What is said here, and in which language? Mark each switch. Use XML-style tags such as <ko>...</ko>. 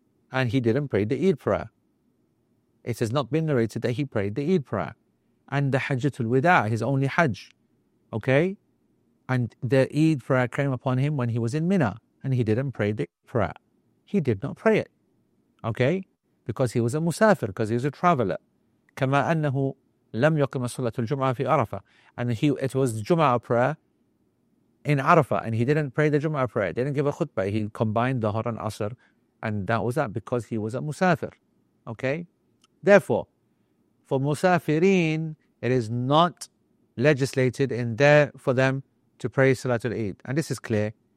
<en>And he didn't pray the Eid prayer. It has not been narrated that he prayed the Eid prayer. And the Hajjatul Wida, his only Hajj, okay? And the Eid prayer came upon him when he was in Mina. And he didn't pray the prayer. He did not pray it. Okay? Because he was a musafir, because he was a traveler.</en> <ar>كَمَا أَنَّهُ لَمْ يُقِمَ صُلَّةُ الْجُمْعَةِ فِي عَرَفَةِ</ar> <en>And it was Jum'ah prayer in Arafah. And he didn't pray the Jum'ah prayer. He didn't give a khutbah. He combined Dhuhr and Asr. And that was that, because he was a musafir. Okay? Therefore, for musafirin, it is not legislated in there for them to pray Salatul Eid. And this is clear.</en>